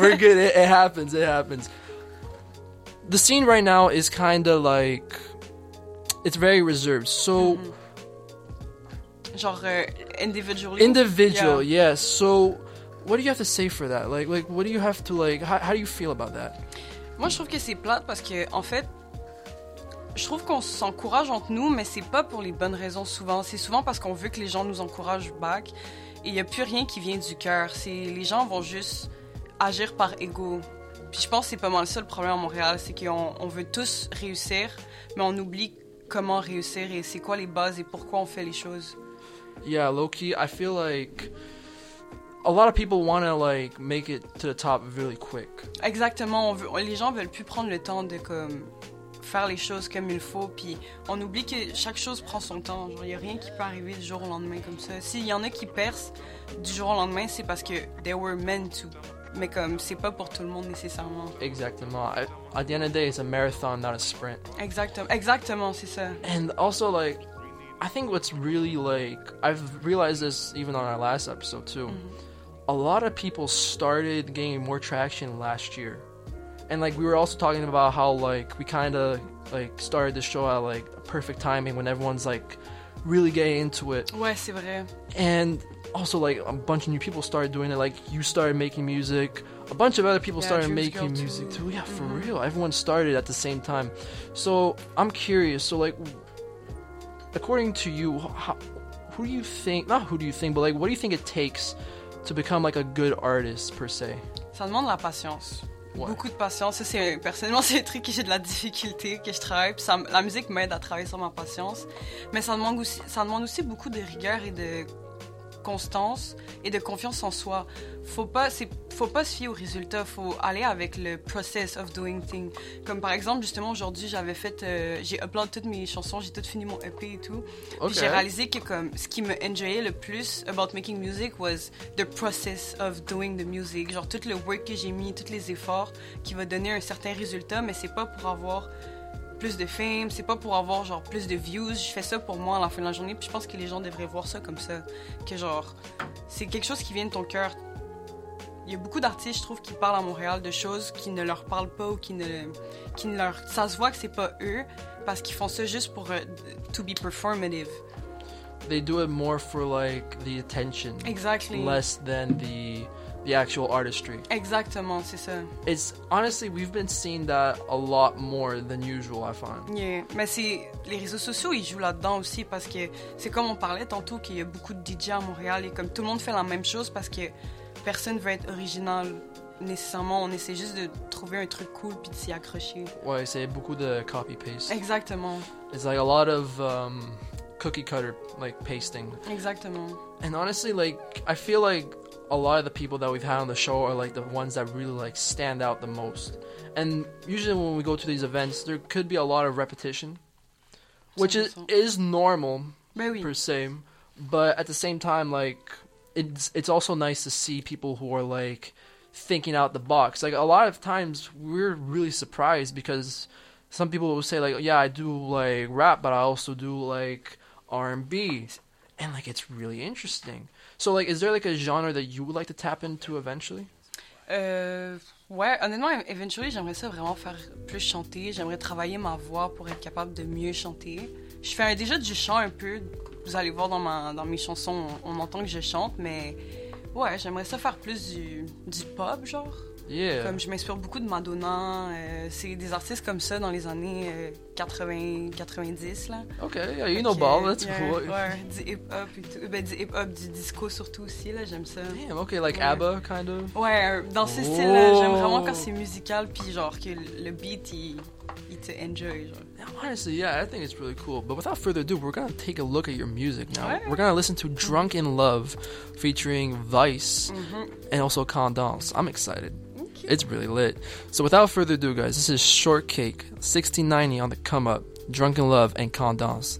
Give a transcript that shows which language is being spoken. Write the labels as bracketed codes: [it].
[en] We're good, it happens. The scene right now is kind of like... It's very reserved, so... Mm-hmm. Genre, individually? Individual, yes. Yeah. So, what do you have to say for that? Like what do you have to, like... How do you feel about that? [fr] Moi, je trouve que c'est plate parce que, en fait... Je trouve qu'on s'encourage entre nous, mais c'est pas pour les bonnes raisons souvent. C'est souvent parce qu'on veut que les gens nous encouragent back. Et il n'y a plus rien qui vient du cœur. Les gens vont juste agir par ego. Puis je pense que c'est pas mal ça le problème à Montréal. C'est qu'on veut tous réussir, mais on oublie comment réussir et c'est quoi les bases et pourquoi on fait les choses. [en] Yeah, low-key, I feel like a lot of people want to like make it to the top really quick. [fr] Exactement. Les gens veulent plus prendre le temps de comme... faire les choses comme il faut. Puis on oublie que chaque chose prend son temps. Genre, il n'y a rien qui peut arriver du jour au lendemain comme ça. S'il y en a qui percent du jour au lendemain, c'est parce que [en] they were meant to. [fr] Mais comme, c'est pas pour tout le monde nécessairement. Exactement. [en] At the end of the day, it's a marathon, not a sprint. [fr] Exactement, c'est ça. [en] And also, like, I think what's really, like, I've realized this even on our last episode, too. Mm-hmm. A lot of people started gaining more traction last year. And, like, we were also talking about how, like, we kind of, like, started the show at, like, perfect timing when everyone's, like, really getting into it. [fr] Ouais, c'est vrai. [en] And also, like, a bunch of new people started doing it. Like, you started making music. A bunch of other people started making music, too. Yeah, for real. Everyone started at the same time. So, I'm curious. So, like, according to you, who do you think... Not who do you think, but, like, what do you think it takes to become, like, a good artist, per se? [fr] Ça demande la patience. Ouais. Beaucoup de patience. C'est, personnellement, c'est un truc que j'ai de la difficulté, que je travaille. Puis ça, la musique m'aide à travailler sur ma patience. Mais ça demande aussi beaucoup de rigueur et de constance et de confiance en soi. Faut pas se fier aux résultats. Faut aller avec le [en] process of doing things. [fr] Comme par exemple, justement, aujourd'hui, j'ai upload toutes mes chansons, j'ai tout fini mon EP et tout. Okay. Puis j'ai réalisé que comme ce qui me enjoyait le plus [en] about making music was the process of doing the music. [fr] Genre tout le work que j'ai mis, tous les efforts qui va donner un certain résultat, mais c'est pas pour avoir plus de fame, c'est pas pour avoir genre plus de views. Je fais ça pour moi à la fin de la journée, puis je pense que les gens devraient voir ça comme ça, que genre c'est quelque chose qui vient de ton cœur. Il y a beaucoup d'artistes, je trouve, qui parlent à Montréal de choses qui ne leur parlent pas ou qui ne leur, ça se voit que c'est pas eux parce qu'ils font ça juste pour [en] to be performative. They do it more for like the attention. Exactly. Less than the actual artistry. [fr] Exactement, c'est ça. [en] It's honestly, we've been seeing that a lot more than usual, I find. [fr] Yeah, mais c'est les réseaux sociaux, ils jouent là-dedans aussi parce que c'est comme on parlait tantôt qu'il y a beaucoup de DJ à Montréal et comme tout le monde fait la même chose parce que personne veut être original nécessairement. On essaie juste de trouver un truc cool puis de s'y accrocher. Ouais, c'est beaucoup de copy paste. Exactement. [en] It's like a lot of cookie cutter like pasting. [fr] Exactement. [en] And honestly, like I feel like a lot of the people that we've had on the show are like the ones that really like stand out the most. And usually when we go to these events, there could be a lot of repetition, which is normal, maybe, per se. But at the same time, like it's also nice to see people who are like thinking out the box. Like a lot of times we're really surprised because some people will say like, yeah, I do like rap, but I also do like R&B. And like, it's really interesting. So, like, is there, like, a genre that you would like to tap into eventually? [fr] Ouais, honnêtement, eventually, j'aimerais ça vraiment faire plus chanter. J'aimerais travailler ma voix pour être capable de mieux chanter. Je fais déjà du chant un peu. Vous allez voir dans mes chansons, on entend que je chante, mais... Ouais, j'aimerais ça faire plus du pop, genre. [en] Yeah. [fr] Comme, je m'inspire beaucoup de Madonna. C'est des artistes comme ça dans les années 80-90, là. [en] OK, yeah, you know okay. Ball, that's cool. [fr] Ouais, du hip-hop et tout. Ben, du hip-hop, du disco surtout aussi, là, j'aime ça. [en] Damn, OK, like ouais. ABBA, kind of? [fr] Ouais, dans ce style-là, j'aime vraiment quand c'est musical, puis genre, que le beat, il te enjoy, genre. [en] Honestly, yeah, I think it's really cool. But without further ado, we're gonna take a look at your music now. [fr] Ouais. [en] We're gonna listen to Drunk in Love, featuring Vice, and also Candance. I'm excited. It's really lit. So without further ado, guys, this is Shortcake, 1690 on the come up, Drunk in Love, and Candance.